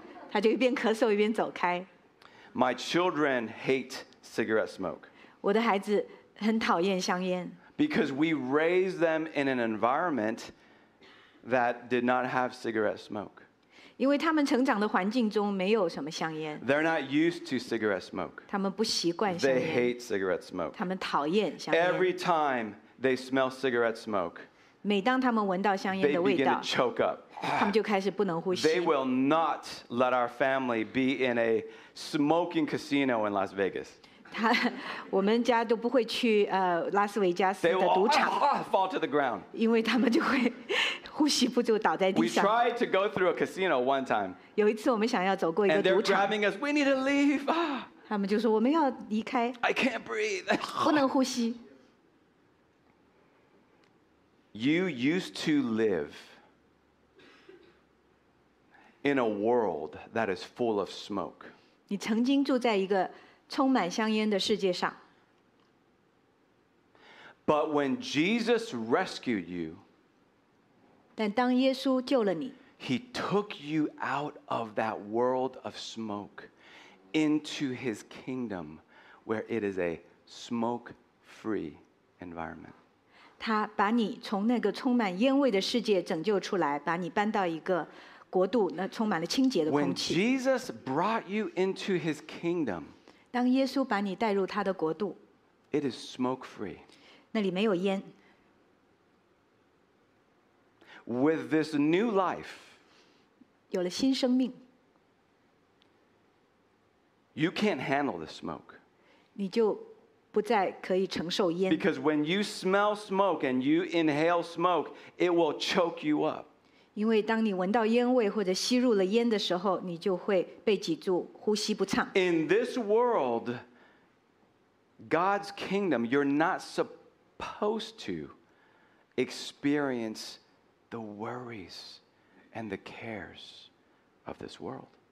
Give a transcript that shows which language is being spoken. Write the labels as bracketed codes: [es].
[zh] 他就一边咳嗽一边走开。 [en] My children hate cigarette smoke. [zh] 我的孩子很讨厌香烟。 [en] Because we raised them in an environment that did not have cigarette smoke. [zh] 因为他们成长的环境中没有什么香烟。 [en] They're not used to cigarette smoke. [zh] 他们不习惯香烟。 [en] They hate cigarette smoke. [zh] 他们讨厌香烟。 [en] Every time they smell cigarette smoke, [zh] 每当他们闻到香烟的味道， [en] they begin to choke up. [zh] 他们就开始不能呼吸。 [en] They will not let our family be in a smoking casino in Las Vegas. [zh] 我们家都不会去拉斯维加斯的赌场。 [en] They will fall to the ground. [zh] 因为他们就会呼吸不住倒在地上。 [en] We tried to go through a casino one time. [zh] 有一次我们想要走过一个赌场。 [en] And they're grabbing us. We need to leave. [zh] 他们就说我们要离开。 [en] I can't breathe. [zh] 不能呼吸。 [en] You used to live. In a world that is full of smoke. [zh] 你曾经住在一个充满香烟的世界上。 [en] But when Jesus rescued you, [zh] 但当耶稣救了你， [en] He took you out of that world of smoke into His kingdom, where it is a smoke-free environment. [zh] 他把你从那个充满烟味的世界拯救出来，把你搬到一个。国度那充满了清洁的空气。 [en] When Jesus brought you into His kingdom, [zh] 当耶稣把你带入他的国度， [en] it is smoke free. [zh] 那里没有烟。 [en] With this new life, [zh] 有了新生命， [en] you can't handle the smoke. [zh] 你就不再可以承受烟。 [en] Because when you smell smoke and you inhale smoke, it will choke you up. [zh] 因为当你闻到烟味或者吸入了烟的时候，你就会被挤住，呼吸不畅。 [en] In this world, God's kingdom, you're not supposed to experience the worries and the cares of this world.